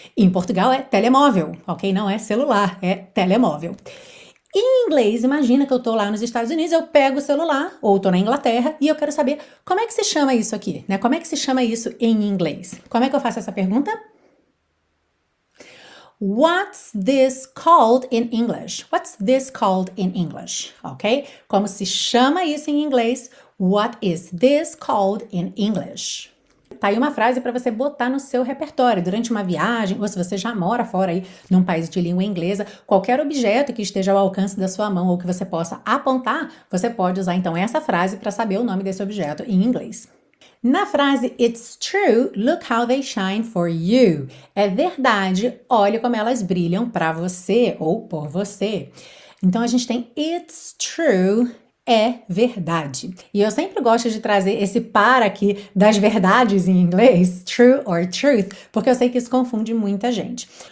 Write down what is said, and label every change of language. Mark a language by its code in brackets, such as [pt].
[pt] Em Portugal é telemóvel, ok? Não é celular, é telemóvel. Em inglês, imagina que eu tô lá nos Estados Unidos, eu pego o celular, ou tô na Inglaterra, e eu quero saber como é que se chama isso aqui, né? Como é que se chama isso em inglês? Como é que eu faço essa pergunta? [en] What's this called in English? What's this called in English? Ok? [pt] Como se chama isso em inglês? [en] What is this called in English? [pt] Tá aí uma frase para você botar no seu repertório durante uma viagem, ou se você já mora fora aí num país de língua inglesa, qualquer objeto que esteja ao alcance da sua mão ou que você possa apontar, você pode usar então essa frase para saber o nome desse objeto em inglês. Na frase [en] It's true, look how they shine for you. [pt] É verdade, olha como elas brilham para você ou por você. Então a gente tem [en] It's true. [pt] É verdade. E eu sempre gosto de trazer esse par aqui das verdades em inglês, true or truth, porque eu sei que isso confunde muita gente.